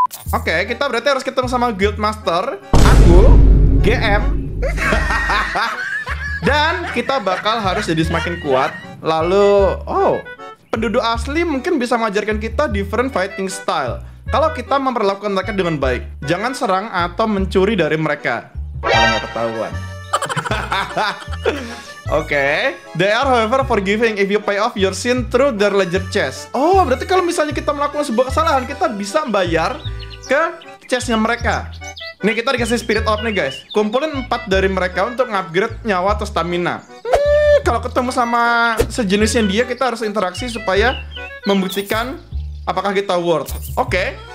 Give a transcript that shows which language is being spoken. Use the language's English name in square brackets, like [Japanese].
[Indonesian] Oke, kita berarti harus ketemu sama Guild Master, aku, GM, dan kita bakal harus jadi semakin kuat. Lalu, penduduk asli mungkin bisa mengajarkan kita [English] different fighting style. [Indonesian] Kalau kita memperlakukan mereka dengan baik, jangan serang atau mencuri dari mereka. Kalau nggak ketahuan. Oke, okay. [English] They are however forgiving if you pay off your sin through their ledger chest. [Indonesian] Oh, berarti kalau misalnya kita melakukan sebuah kesalahan, kita bisa bayar ke chestnya mereka. Nih, kita dikasih spirit orb nih guys. Kumpulin 4 dari mereka untuk upgrade nyawa atau stamina. Kalau ketemu sama sejenisnya dia, kita harus interaksi supaya membuktikan apakah kita worth. Oke, okay.